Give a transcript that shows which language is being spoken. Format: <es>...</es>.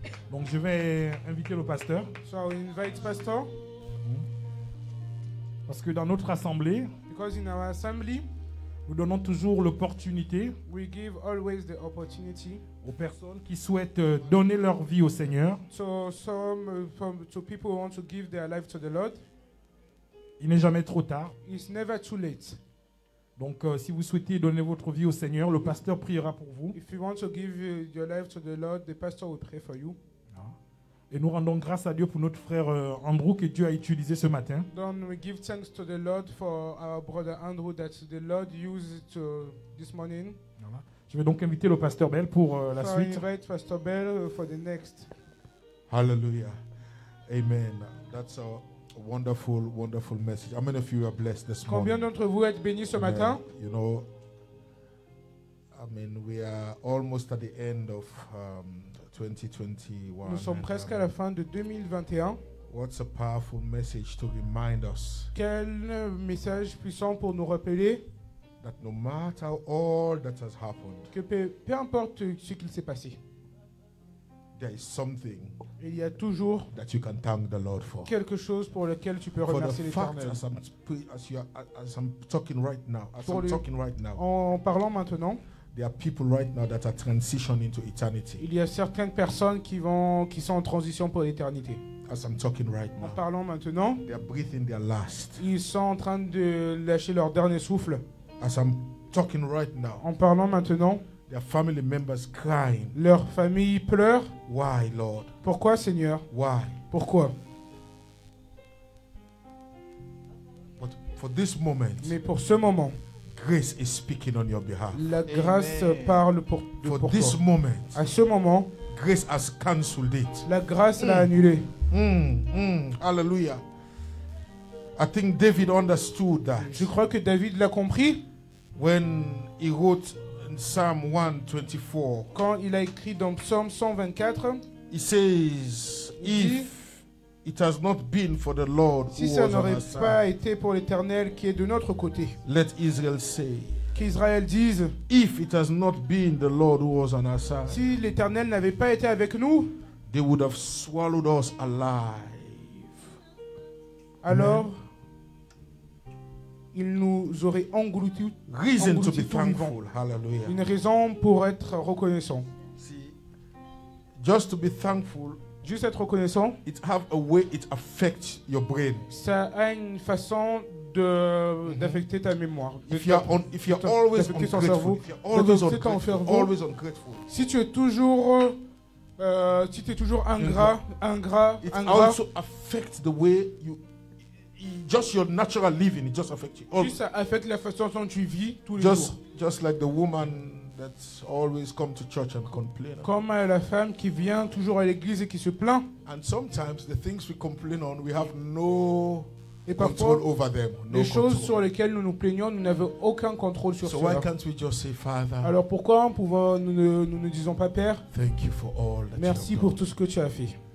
<fr>Donc je vais inviter le pasteur.</fr> <en>So I'll invite pastor.</en> <fr>Parce que dans notre assemblée,</fr> <en>because in our assembly,</en> <fr>nous donnons toujours l'opportunité,</fr> <en>we give always the opportunity,</en> <fr>aux personnes qui souhaitent donner leur vie au Seigneur.</fr> <en>So some to people who want to give their life to the Lord.</en> <fr>Il n'est jamais trop tard.</fr> <en>It's never too late.</en> <fr>Donc si vous souhaitez donner votre vie au Seigneur, le pasteur priera pour vous.</fr> <en>If you want to give your life to the Lord, the pastor will pray for you.</en> <fr>Et nous rendons grâce à Dieu pour notre frère Andrew que Dieu a utilisé ce matin.</fr> <en>Then we give thanks to the Lord for our brother Andrew that the Lord used to this morning.</en> <fr>Je vais donc inviter le pasteur Bell pour la</fr> <en>so</en> <fr>suite.</fr> <en>I invite Pastor Bell for the next. Hallelujah. Amen. That's all. Wonderful, wonderful message. How many of you are blessed this morning?</en> <fr>Combien d'entre vous êtes bénis ce matin?</fr> <en>You know, I mean, we are almost at the end of 2021.</en> <fr>Nous sommes presque à la fin de 2021.</fr> <en>What's a powerful message to remind us?</en> <fr>Quel message puissant pour nous rappeler?</fr> <en>That no matter all that has happened.</en> <fr>Que peu importe ce qu'il s'est passé.</fr> <en>There is something</en> <fr>il y a toujours</fr> <en>that you can thank the Lord for.</en> <fr>Quelque chose pour lequel tu peux</fr> <en>for</en> <fr>remercier l'Éternel.</fr> <en>For the fact as I'm talking right now.</en> <fr>En parlant maintenant,</fr> <en>there are people right now that are transitioning to eternity.</en> <fr>Il y a certaines personnes qui sont en transition pour l'éternité.</fr> <en>As I'm talking right now.</en> <fr>En parlant maintenant,</fr> <en>they are breathing their last.</en> <fr>Ils sont en train de lâcher leur dernier souffle.</fr> <en>As I'm talking right now.</en> <fr>En parlant maintenant.</fr> <en>Their family members crying.</en> <fr>Leur famille pleure.</fr> <en>Why, Lord?</en> <fr>Pourquoi, Seigneur?</fr> <en>Why?</en> <fr>Pourquoi?</fr> <en>But for this moment.</en> <fr>Mais pour ce moment.</fr> <en>Grace is speaking on your behalf.</en> <fr>La grâce Amen. Parle pour de</fr> <en>for</en> <fr>pour</fr> <en>this</en> <fr>toi.</fr> <en>Moment.</en> <fr>À ce moment.</fr> <en>Grace has cancelled it.</en> <fr>La grâce l'a annulé.</fr> <en>Hallelujah. I think David understood that.</en> <fr>Je crois que David l'a compris.</fr> <en>When he wrote. Psalm 124.</en> <fr>Quand il a écrit dans Psalm 124,</fr> <en>he says, if it has not been for the Lord,</en> <fr>si ça n'aurait pas été pour l'Éternel qui est de notre côté,</fr> <en>let Israel say,</en> <fr>qu'Israël dise,</fr> <en>if it has not been the Lord who was on our side,</en> <fr>si l'Éternel n'avait pas été avec nous,</fr> <en>they would have swallowed us alive.</en> <fr>Alors, il nous aurait englouti.</fr> <en>Reason to be thankful. Hallelujah.</en> <fr>Une raison pour être reconnaissant.</fr> <en>See, just to be thankful.</en> <fr>Juste être reconnaissant.</fr> <en>It have a way it affects your brain.</en> <fr>Ça a une façon de d'affecter ta mémoire.</fr> <en>If you are always ungrateful. If you are always ungrateful. Always ungrateful.</en> <fr>Si tu es toujours si tu es toujours ingrat.</fr> <en>It also affects the way you. Just your natural living, it just affects you.</en> <fr>Juste ça affecte la façon dont tu vis tous les jours.</fr> <en>Just like the woman that always come to church and complain.</en> <fr>Comme la femme qui vient toujours à l'église et qui se plaint.</fr> <en>And sometimes the things we complain on, we have no control over them.</en> <fr>Les choses sur lesquelles nous nous plaignons, nous n'avons aucun contrôle sur cela.</fr> <en>So why can't we just say, Father?</en> <fr>Alors pourquoi nous ne disons pas Père?</fr> <en>Thank you for all.</en> <fr>Merci pour tout ce que tu as fait.</fr>